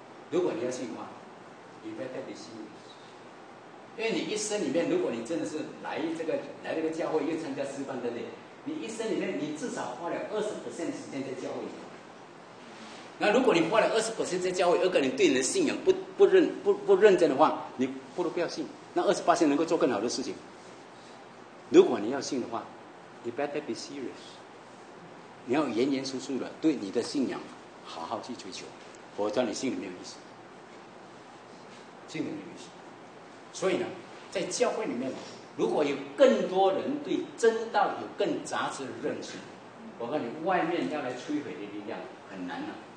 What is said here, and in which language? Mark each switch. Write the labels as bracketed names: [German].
[Chinese] 如果你要信的话，你不要带点信，因为你一生里面，如果你真的是来这个教会，又参加师范，对不对？你一生里面，你至少花了20%时间在教会里面。那如果你花了20%在教会，而且你对你的信仰不认真的话，你不如不要信。那20%能够做更好的事情。如果你要信的话 ， [English] you better be serious。 [Chinese] 你要严严肃肃的对你的信仰好好去追求，否则你信里没有意思，信里没有意思。所以呢，在教会里面，如果有更多人对真道有更扎实的认识，我告诉你，外面要来摧毁的力量很难了。